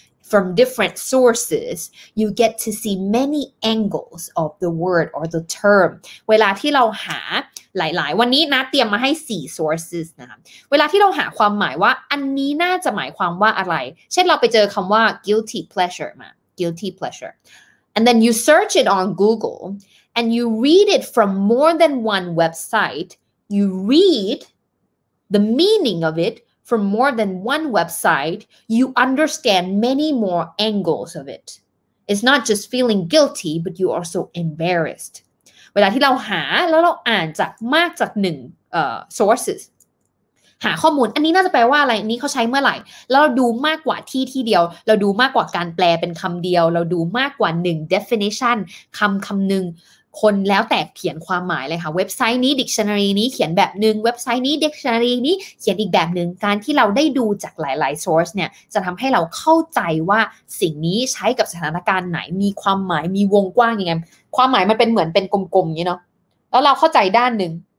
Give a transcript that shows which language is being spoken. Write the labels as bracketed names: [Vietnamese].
[English] from different sources, you get to see many angles of the word or the term. [Thai] เวลาที่เราหาหลายๆวันนี้นะเตรียมมาให้4 sources นะเวลาที่เราหาความหมายว่าอันนี้น่าจะหมายความว่าอะไรเช่นเราไปเจอคำว่า [English] guilty pleasure มา guilty pleasure and then you search it on Google and you read it from more than one website you read the meaning of itFrom more than one website, you understand many more angles of it. It's not just feeling guilty, but you are also embarrassed. [Thai] เวลาที่เราหาแล้วเราอ่านจากมากจากหนึ่ง sources หาข้อมูลอันนี้น่าจะแปลว่าอะไรอันนี้เขาใช้เมื่อไหร่แล้วเราดูมากกว่าที่ที่เดียวเราดูมากกว่าการแปลเป็นคำเดียวเราดูมากกว่าหนึ่ง definition คำคำหนึ่ง คนแล้วแต่เขียนความหมายเลยค่ะเว็บไซต์นี้ dictionary นี้เขียนแบบนึงเว็บไซต์นี้ dictionary นี้เขียนอีกแบบนึงการที่เราได้ดูจากหลายๆ source เนี่ยจะทำให้เราเข้าใจว่าสิ่งนี้ใช้กับสถานการณ์ไหนมีความหมายมีวงกว้างยังไงความหมายมันเป็นเหมือนเป็นกลมๆอย่างเนาะแล้วเราเข้าใจด้านนึง